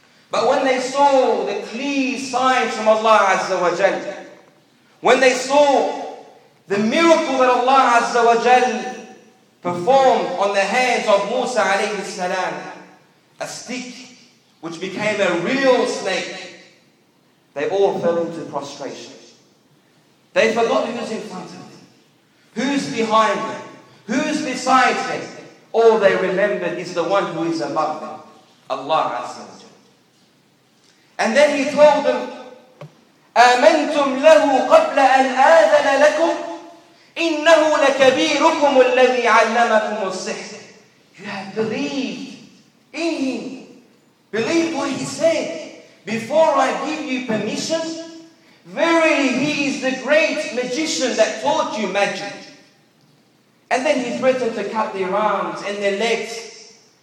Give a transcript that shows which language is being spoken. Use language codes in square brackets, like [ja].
[en] But when they saw the clear signs from Allah Azza wa Jal, when they saw the miracle that Allah Azza wa Jal performed on the hands of Musa alayhi salam, a stick which became a real snake, they all fell into prostration. They forgot who's in front of them, who's behind them, who's beside them. All they remembered is the one who is above them, Allah Azza wa Jalla. And then he told them, [ar] آمنتم له قبل أن آذن لكم إِنَّهُ لَكَبِيرُكُمُ الَّذِي عَلَّمَكُمُ السِّحْرِ. [en] You have believed in him. Believe what he said. Before I give you permission, verily he is the great magician that taught you magic. And then he threatened to cut their arms and their legs.